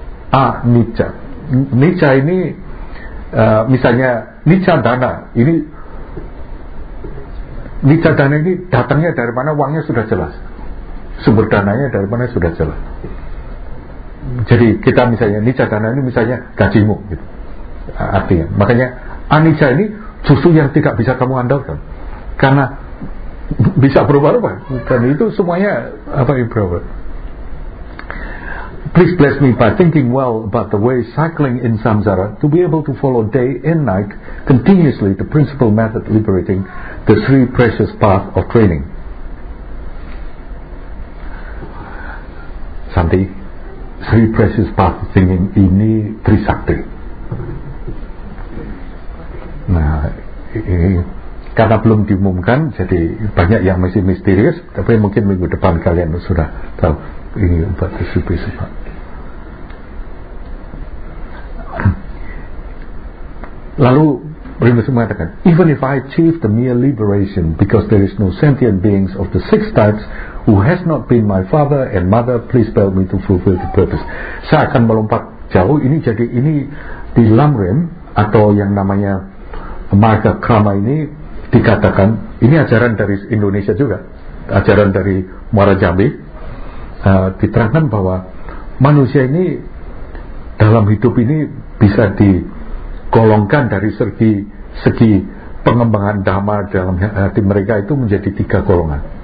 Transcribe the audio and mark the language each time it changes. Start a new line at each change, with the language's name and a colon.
Indonesian: Anicca, nitya ini, misalnya nitya dana ini, nitya dana ini datangnya dari mana, uangnya sudah jelas, sumber dananya dari mana sudah jelas. Jadi kita misalnya nicca dana ini misalnya gajimu gitu. Artinya makanya anicca ini justru yang tidak bisa kamu andalkan karena bisa berubah-ubah dan itu semuanya apa improbable.
English: please bless me by thinking well about the way cycling in samsara to be able to follow day and night continuously the principal method liberating the three precious path of training.
Indonesian: Santi,
English: three precious path of thinking
Indonesian: ini trisakti. Nah, karena belum diumumkan, jadi banyak yang masih misterius. Tapi mungkin minggu depan kalian sudah tahu ini empat sifat. Lalu Rinpoche mengatakan,
English: even if I achieve the mere liberation, because there is no sentient beings of the six types who has not been my father and mother, please help me to fulfill the purpose.
Indonesian: Saya akan melompat jauh. Ini jadi ini di Lamrim atau yang namanya Marga Krama ini dikatakan, ini ajaran dari Indonesia juga, ajaran dari Muara Jambi, diterangkan bahwa manusia ini dalam hidup ini bisa digolongkan dari segi pengembangan dhamma dalam hati mereka itu menjadi tiga golongan.